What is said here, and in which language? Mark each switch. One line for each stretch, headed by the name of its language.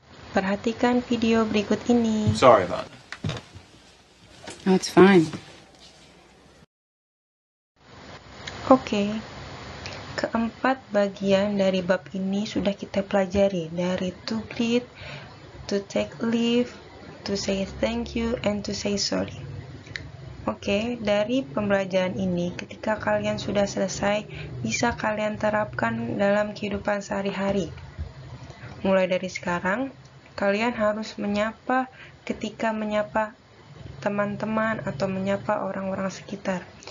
Indonesian: Perhatikan video berikut ini.
English: Sorry about that. No, it's fine. Okay.
Indonesian: Keempat bagian dari bab ini sudah kita pelajari. Dari
English: to greet, to take leave, to say thank you, and to say sorry.
Indonesian: Oke, dari pembelajaran ini, ketika kalian sudah selesai, bisa kalian terapkan dalam kehidupan sehari-hari. Mulai dari sekarang, kalian harus menyapa ketika menyapa teman-teman atau menyapa orang-orang sekitar.